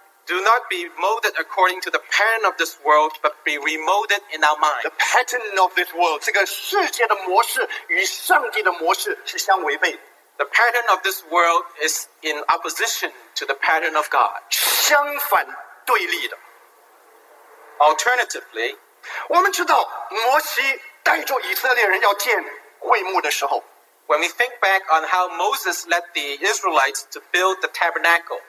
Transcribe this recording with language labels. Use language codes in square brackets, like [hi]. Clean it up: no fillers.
[en] Do not be molded according to the pattern of this world, but be remolded in our mind. The pattern of this world, [zh] 这个世界的模式与上帝的模式是相违背。 [en] The pattern of this world is in opposition to the pattern of God. [zh] 相反对立的。 [en] Alternatively, [zh] 我们知道摩西带着以色列人要建 [en] When we think back on how Moses led the Israelites to build the tabernacle,